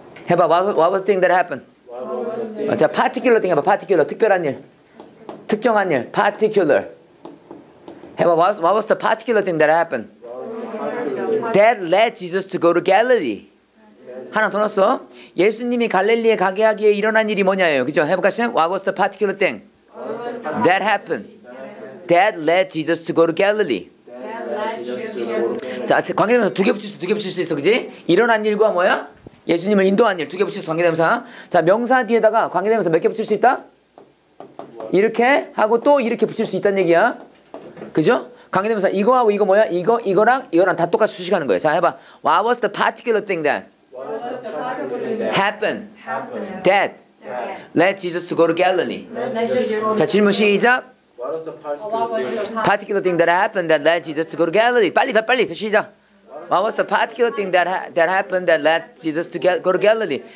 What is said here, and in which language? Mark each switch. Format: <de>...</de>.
<ko>해봐.</ko> <en>What was the thing that happened? 자, particular thing 해봐.</en> <ko>Particular 특별한 일, 특정한 일. Particular 해봐.</ko> <en>What was the particular thing that happened that led Jesus to go to Galilee?</en> <ko>하나 더 넣었어. 예수님이 갈릴리에 가게 하기에 일어난 일이 뭐냐예요. 그죠? 해볼까 쌤?</ko> <en>What was the particular thing that happened that led Jesus to go to Galilee?</en> <ko>자, 관계되면서 두 개 붙일 수 있어. 그지? 일어난 일과 뭐야? 예수님을 인도한 일 두 개 붙일 수 관계대명사. 자, 명사 뒤에다가 관계대명사 몇 개 붙일 수 있다? 이렇게 하고 또 이렇게 붙일 수 있다는 얘기야. 그죠? 관계대명사 이거하고 이거 뭐야? 이거 이거랑 이거랑 다 똑같이 수식하는 거예요. 자, 해봐.</ko> <en>What was the particular thing that happened that led Jesus to go to Galilee?</en> <ko>자, 질문 시작.</ko> <en>Particular thing that happened that led Jesus to go to Galilee.</en> <ko>빨리 더 빨리 시작.</ko> <en>What was the particular thing that happened that led Jesus to go to Galilee?</en>